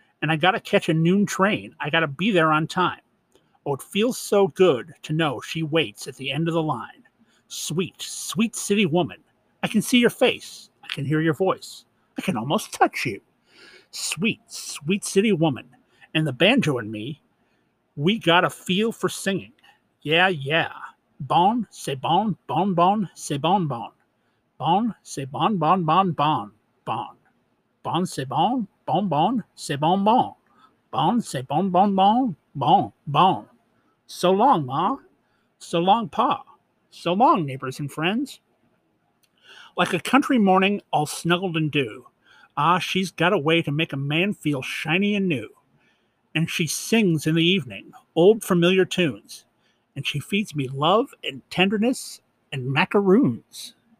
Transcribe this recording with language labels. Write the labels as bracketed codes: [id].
[en] And I gotta catch a noon train. I gotta be there on time. Oh, it feels so good to know she waits at the end of the line. Sweet, sweet city woman. I can see your face. I can hear your voice. I can almost touch you. Sweet, sweet city woman. And the banjo and me, we got a feel for singing. Yeah, yeah. [fr] Bon, c'est bon, bon, bon, c'est bon, bon. Bon, c'est bon, bon, bon, bon, bon. Bon, c'est bon, bon, bon, c'est bon, bon. Bon, c'est bon, bon, bon, bon, bon. [en] So long, ma. So long, pa. So long, neighbors and friends. Like a country morning all snuggled in dew. Ah, she's got a way to make a man feel shiny and new. And she sings in the evening, old familiar tunes. And she feeds me love and tenderness and macaroons.